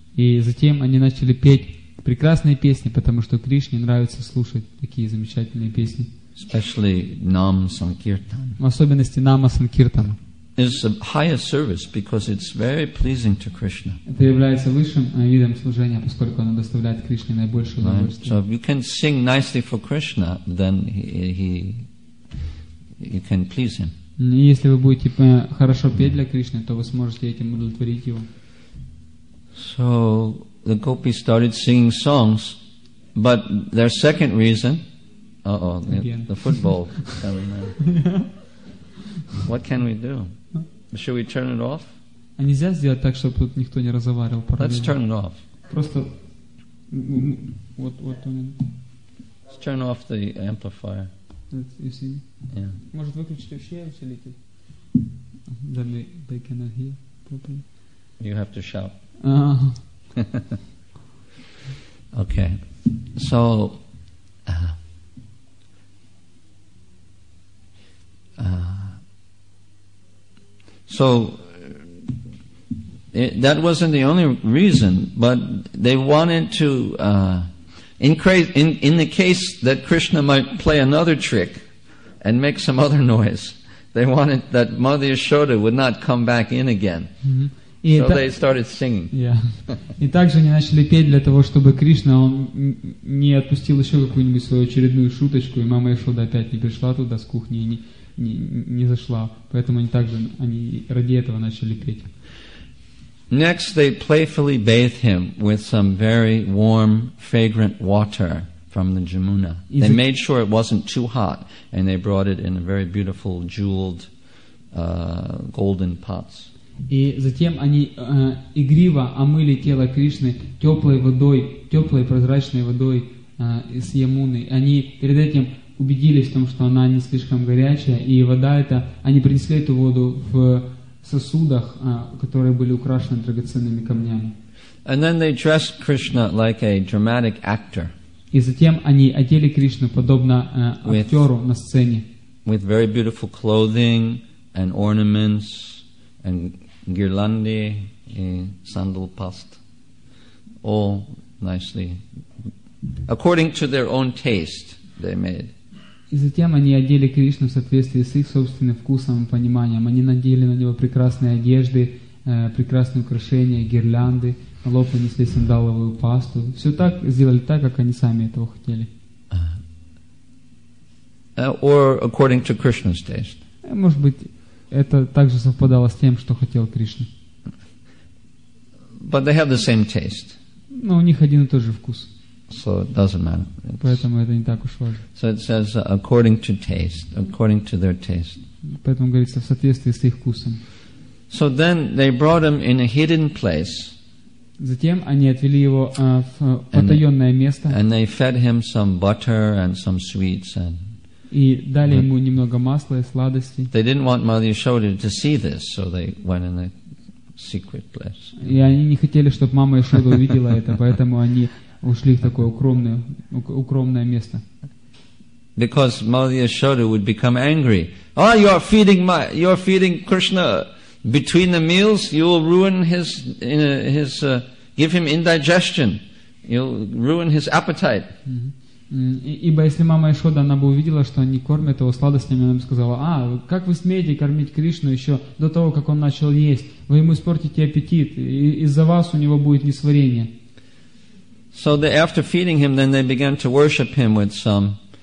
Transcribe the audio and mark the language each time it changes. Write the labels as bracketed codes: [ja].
[ru] И затем они начали петь прекрасные песни, потому что Кришне нравится слушать такие замечательные песни. [en] Especially Nama Sankirtan. [ru] В особенности Нама Санкиртана. [en] Is the highest service because it's very pleasing to Krishna. [ru] Это является высшим видом служения, поскольку оно доставляет Кришне наибольшее удовольствие. [en] So if you can sing nicely for Krishna, then you can please him. [ru] Если вы будете хорошо петь для Кришны, то вы сможете этим удовлетворить его. [en] So the gopis started singing songs, but their second reason, the football. What can we do? Should we turn it off? [ru] А нельзя сделать так, чтобы тут никто не разговаривал параллельно? [en] Let's turn it off. [ru] Просто вот он. [en] Let's turn off the amplifier. You see? Yeah. [ru] Может выключить вообще усилитель? [en] Then they cannot hear properly. You have to shout. Uh-huh. Okay. So So that wasn't the only reason, but they wanted to in the case that Krishna might play another trick and make some other noise, they wanted that Mother Yashoda would not come back in again. Mm-hmm. So they started singing. [ru] Yeah. И также они начали петь для того, чтобы Кришна он не отпустил еще какую-нибудь свою очередную шуточку, и мама Ишода опять не пришла туда с кухни и не. Не зашла, поэтому они также они ради этого начали петь. [en] Next, they playfully bathe him with some very warm, fragrant water from the Jamuna. They made sure it wasn't too hot, and they brought it in a very beautiful jeweled, golden pots. [ru] И затем они игриво омыли тело Кришны теплой водой, теплой прозрачной водой из Ямуны. Они перед этим убедились в том, что она не слишком горячая, и вода эта, они принесли эту воду в сосудах, которые были украшены драгоценными камнями. [en] And then they dressed Krishna like a dramatic actor. [ru] И затем они одели Кришну подобно актеру на сцене. [en] With very beautiful clothing and ornaments and [ru] гирлянды и сандалпаст. [en] All nicely. According to their own taste, they made. [ru] И затем они одели Кришну в соответствии с их собственным вкусом и пониманием. Они надели на него прекрасные одежды, прекрасные украшения, гирлянды, на лоб нанесли сандаловую пасту. Все так сделали так, как они сами этого хотели. [en] Or according to Krishna's taste. [ru] Может быть, это также совпадало с тем, что хотел Кришна. [en] But they have the same taste. [ru] Но у них один и тот же вкус. [en] So it doesn't matter. [ru] Поэтому это не так уж важно. [en] So it says according to taste, according to their taste. [ru] Поэтому говорится в соответствии с их вкусом. [en] So then they brought him in a hidden place. [ru] Затем они отвели его в потаённое место. [en] And they fed him some butter and some sweets and. [ru] И дали ему немного масла и сладостей. [en] They didn't want Mother Yashoda to see this, so they went in a secret place. [ru] И они не хотели, чтобы мама Ишода увидела это, поэтому они ушли в такое укромное место. [en] Because Mother Yashoda would become angry. Oh, you're feeding Krishna between the meals. You will ruin his give him indigestion. You'll ruin his appetite. [ru] Ибо если мама Яшода, она бы увидела, что они кормят его сладостями, она бы сказала: а как вы смеете кормить Кришну еще до того, как он начал есть? Вы ему испортите аппетит, и из-за вас у него будет несварение. [en] So they, after feeding him, then they began to worship him with some